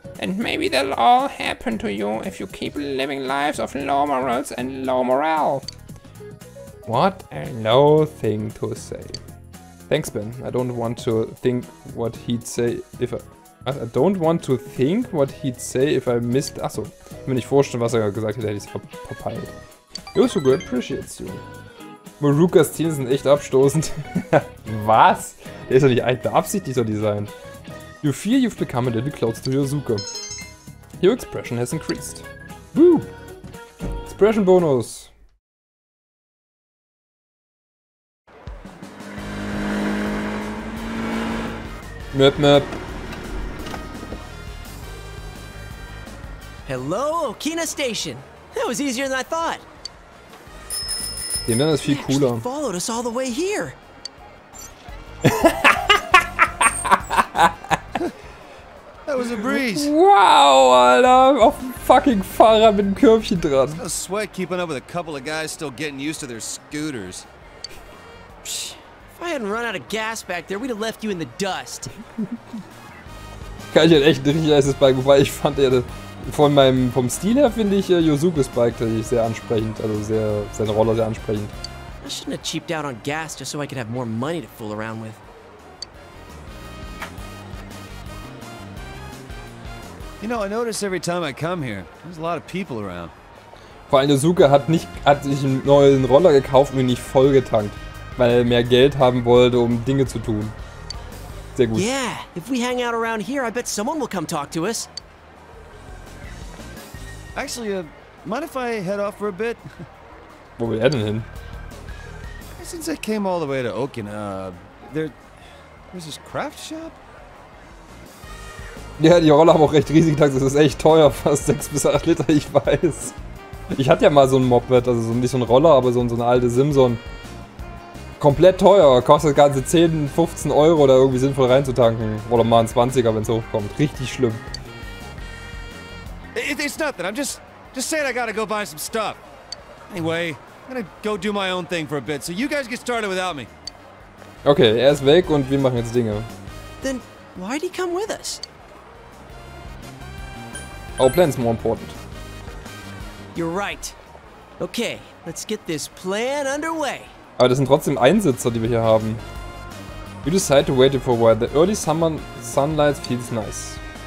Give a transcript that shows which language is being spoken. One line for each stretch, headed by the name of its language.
English: And maybe that'll all happen to you if you keep living lives of low morals and low morale. What a low thing to say. Thanks, Ben. I don't want to think what he'd say if I... I don't want to think what he'd say if I missed...
German: Achso, wenn ich vorstelle, was er gesagt hätte, hätte ich es verpeilt.
English: You're so good, appreciate you.
German: Marukas Zähne sind echt abstoßend. Was? Der ist doch nicht echt beabsichtigt, so Design.
English: You fear you've become a little close to Yosuke. Your expression has increased. Woo! Expression Bonus. Map, map. Hello, Okina Station. That was easier than I thought.
German: Dem Mann ist viel cooler.
English: They followed us all the way here. That was a breeze.
German: Wow, Alter, auf dem fucking Fahrrad mit dem Körbchen dran.
English: It's no sweat keeping up with a couple of guys still getting used to their scooters. Psh, if I hadn't run out of gas back there, we'd have left you in the dust.
German: Kann ich halt echt ein richtig heißes Bike, wobei ich fand er das. Von meinem, vom Stil her finde ich Yosukes Bike tatsächlich sehr ansprechend, also sehr, seine Rolle sehr ansprechend.
English: I shouldn't have cheaped out on gas just so I could have more money to fool around with. You know, I notice every time I come here, there's a lot of people around.
German: Vor allem Yosuke hat sich einen neuen Roller gekauft und ihn nicht vollgetankt, weil er mehr Geld haben wollte, um Dinge zu tun. Sehr gut.
English: Yeah, if we hang out around here, I bet someone will come talk to us. Actually, mind if I head off for a bit?
German: Wo will er denn hin?
English: Since I came all the way to Okina, there's this craft shop?
German: Ja, die Roller haben auch recht riesig, das ist echt teuer, fast 6 bis 8 Liter, ich weiß. Ich hatte ja mal so ein Moped, also nicht so ein Roller, aber so ein alte Simson. Komplett teuer, kostet das ganze 10, 15 Euro da irgendwie sinnvoll reinzutanken. Oder mal ein 20er, wenn es hochkommt. Richtig schlimm.
English: It's nothing. I'm just saying I gotta go buy some stuff. Anyway, I'm gonna go do my own thing for a bit, so you guys get started without me.
German: Okay, er ist weg und wir machen jetzt Dinge.
English: Then why'd he come with us? Our plan's more important. You're right. Okay, let's get this plan underway.
German: Aber das sind trotzdem Einsitzer, die wir hier haben.
English: You decide to wait for a while. The early summer sunlight feels nice.